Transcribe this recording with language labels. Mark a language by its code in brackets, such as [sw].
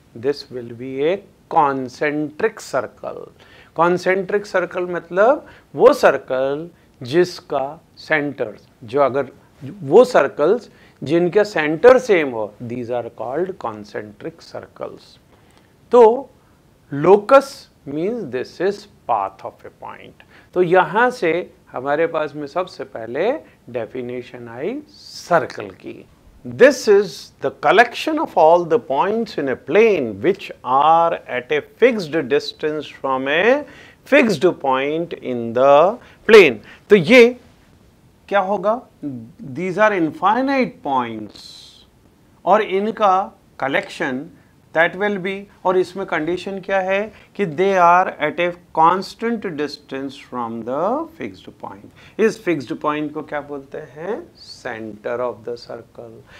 [en] This will be a concentric circle. [hi] Concentric circle मतलब वो circle जिसका सेंटर, जो अगर वो सर्कल्स जिनका सेंटर सेम हो, [en] These are called concentric circles. तो locus means this is path of a point। [hi] तो यहाँ से हमारे पास में सबसे पहले definition आई circle की। [en] This is the collection of all the points in a plane which are at a fixed distance from a fixed point in the plane। [hi] तो ये क्या होगा? [en] These are infinite points और इनका collection That will be, [hi] और इसमें condition क्या है कि [en] They are at a constant distance from the fixed point. [hi] इस फिक्स्ड पॉइंट को क्या बोलते हैं? Centre of the circle.